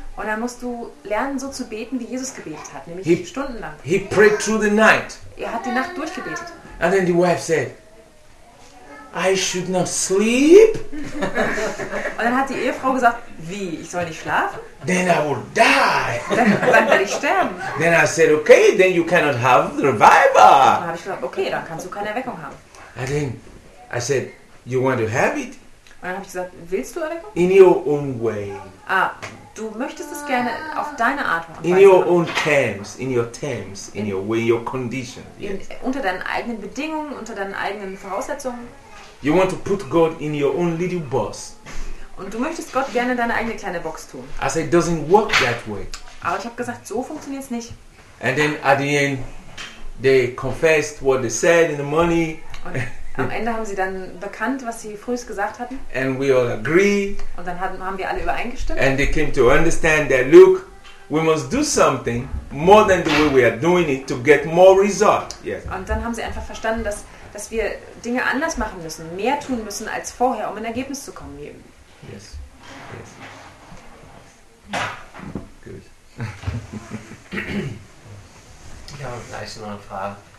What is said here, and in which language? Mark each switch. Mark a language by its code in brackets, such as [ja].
[de] Und dann musst du lernen, so zu beten, wie Jesus gebetet hat, nämlich stundenlang. [en] He prayed through the night. [de] Er hat die Nacht durchgebetet. [en] And then the wife said, I should not sleep. [de] Und dann hat die Ehefrau gesagt, wie, ich soll nicht schlafen? [en] Then I will die. [de] Dann werde ich sterben. [en] Then I said, okay, then you cannot have the revival. [de] Und dann habe ich gesagt, okay, dann kannst du keine Erweckung haben. [en] And then I said, you want to have it? [de] Und dann habe ich gesagt, willst du Erweckung? [en] In your own way. [de] Ah, du möchtest es gerne auf deine Art machen. [en] In your own terms, in your terms, in your way, your condition. Yes. [de] Unter deinen eigenen Bedingungen, unter deinen eigenen Voraussetzungen. [en] You want to put God in your own little box. [de] Und du möchtest Gott gerne in deine eigene kleine Box tun. [en] I said, it doesn't work that way. [de] Aber ich habe gesagt, so funktioniert es nicht. [en] And then at the end, they confessed what they said in the morning. [de] Am Ende haben sie dann bekannt, was sie frühest gesagt hatten. [en] And we all agree. [de] Und dann haben wir alle übereingestimmt. [en] And they came to understand that, look, we must do something more than the way we are doing it to get more result. Yes. [de] Und dann haben sie einfach verstanden, dass wir Dinge anders machen müssen, mehr tun müssen als vorher, um ein Ergebnis zu kommen. [en] Yes. Yes. Good. [de] Ich habe gleich noch eine Frage.